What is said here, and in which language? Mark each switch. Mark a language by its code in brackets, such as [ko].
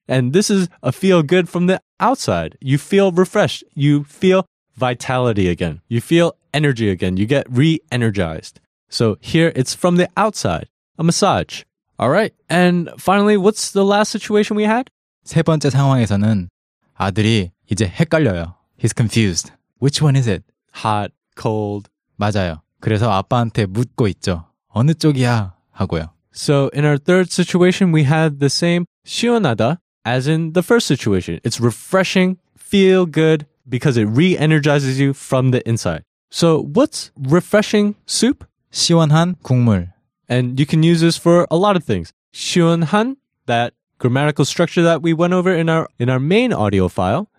[en] And this is a feel good from the outside. You feel refreshed. You feel vitality again. You feel energy again. You get re-energized. So here it's from the outside. A massage. All right. And finally, what's the last situation we had? [ko] 세 번째 상황에서는 아들이 이제 헷갈려요. [en] He's confused. Which one is it? Hot, cold. [ko] 맞아요. 그래서 아빠한테 묻고 있죠. 어느 쪽이야? 하고요. [en] So in our third situation, we had the same 시원하다 as in the first situation. It's refreshing, feel good, because it re-energizes you from the inside. So what's refreshing soup? [ko] 시원한 국물. [en] And you can use this for a lot of things. 시원한, that grammatical structure that we went over in our main audio file.